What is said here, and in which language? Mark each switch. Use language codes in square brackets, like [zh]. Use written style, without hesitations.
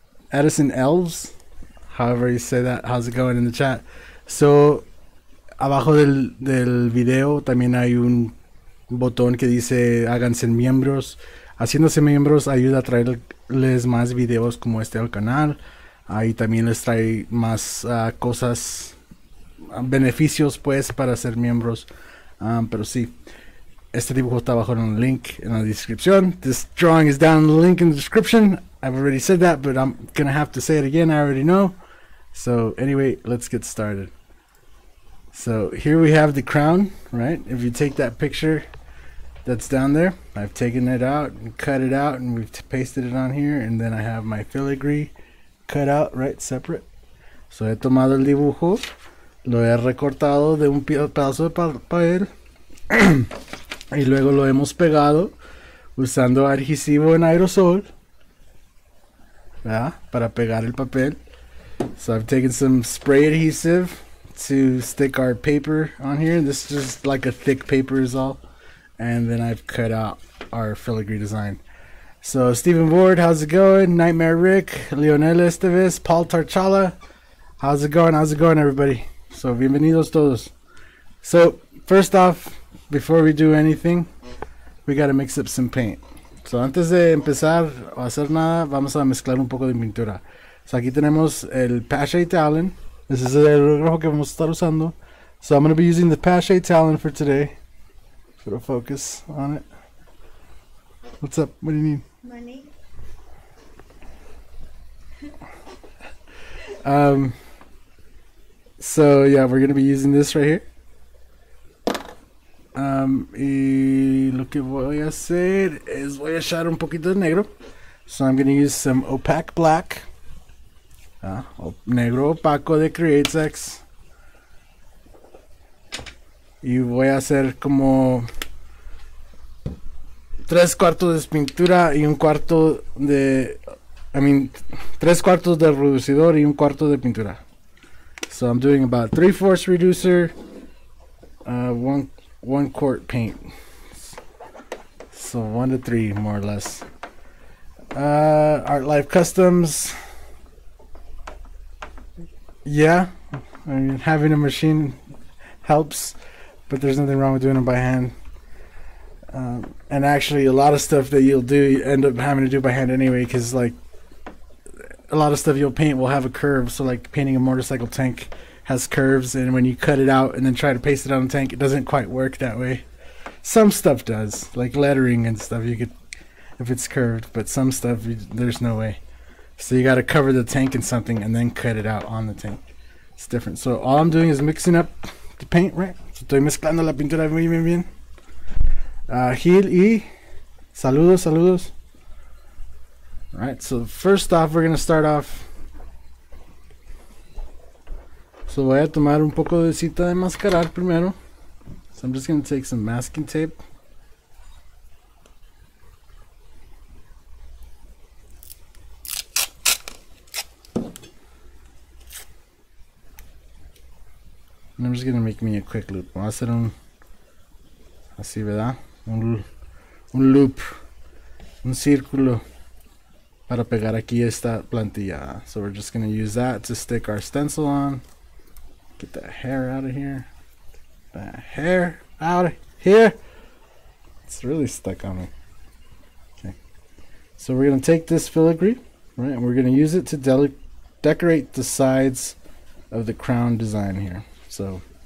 [en] Edison Elves, however you say that, how's it going in the chat? [es] So abajo del video también hay un botón que dice háganse miembros. Haciéndose miembros ayuda a traerles más videos como este al canal. Ahí también les trae más cosas, beneficios pues para ser miembros. Pero sí, este dibujo está abajo en el link en la descripción. [en] This drawing is down in the link in the description. I've already said that, but I'm gonna have to say it again. I already know. So anyway, let's get started. So here we have the crown, right? If you take that picture that's down there, I've taken it out and cut it out and we've pasted it on here, and then I have my filigree cut out, right, separate. [es] So he tomado el dibujo, lo he recortado de un pedazo de papel y luego lo hemos pegado usando adhesivo en aerosol, ¿verdad? Para pegar el papel. [en] So I've taken some spray adhesive to stick our paper on here. This is just like a thick paper is all. And then I've cut out our filigree design. So Stephen Ward, how's it going? Nightmare Rick, Leonel Estevez, Paul Tarchala, how's it going? How's it going, everybody? So [es] bienvenidos todos. [en] So first off, before we do anything, we gotta mix up some paint. [es] So antes de empezar o hacer nada, vamos a mezclar un poco de pintura. So aquí tenemos el Pache Talon. [en] This is the [es] rojo que vamos a estar usando. [en] So I'm gonna be using the Pache Talon for today. Put a focus on it. What's up? What do you need? Money. So yeah, we're gonna be using this right here. [es] Y lo que voy a hacer es voy a echar un poquito de negro. [en] So I'm gonna use some opaque black. [es] Negro opaco de CreateSex. Y voy a hacer como tres cuartos de pintura y un cuarto de, tres cuartos de reducidor y un cuarto de pintura. [en] So I'm doing about 3/4 reducer, one quart paint. So 1 to 3, more or less. Art Life Customs. Yeah, I mean, having a machine helps, but there's nothing wrong with doing it by hand. And actually, a lot of stuff that you'll do, you end up having to do by hand anyway, because like a lot of stuff you'll paint will have a curve. So like painting a motorcycle tank has curves, and when you cut it out and then try to paste it on a tank, it doesn't quite work that way. Some stuff does, like lettering and stuff, you could, if it's curved, but some stuff, there's no way. So you got to cover the tank in something and then cut it out on the tank. It's different. So all I'm doing is mixing up the paint, right? [es] Estoy mezclando la pintura muy bien. Gil y saludos. [en] All right, so first off, we're going to start off. [es] So voy a tomar un poco de cinta de mascarar primero. [en] So I'm just going to take some masking tape. And I'm just gonna make me a quick loop. [es] Voy a hacer un, así, ¿verdad? Un loop, un círculo para pegar aquí esta plantilla. [en] So we're just gonna use that to stick our stencil on. Get that hair out of here. Get that hair out of here. It's really stuck on me. Okay. So we're gonna take this filigree, right? And we're gonna use it to decorate the sides of the crown design here. So